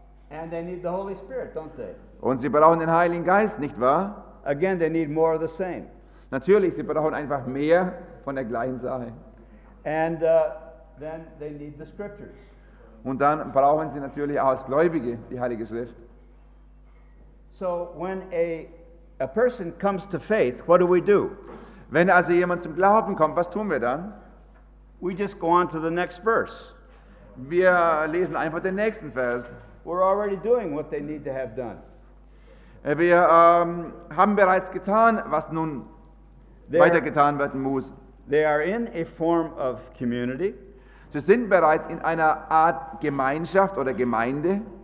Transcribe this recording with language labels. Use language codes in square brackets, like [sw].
[en] And they need the Holy Spirit, don't they? [de] Und sie brauchen den Heiligen Geist, nicht wahr? [en] Again, they need more of the same. [de] Natürlich, sie brauchen einfach mehr von der gleichen Sache. [en] And then they need the Scriptures. [de] Und dann brauchen sie natürlich auch als Gläubige die Heilige Schrift. [en] So when a person comes to faith, what do? [de] Wenn also jemand zum Glauben kommt, was tun wir dann? [en] We just go on to the next verse. [de] Wir lesen einfach den nächsten Vers. [en] We're already doing what they need to have done. [de] Wir haben bereits getan, was nun weiter getan werden muss. [en] They are in a form of community. [de] Sie sind bereits in einer Art Gemeinschaft oder Gemeinde.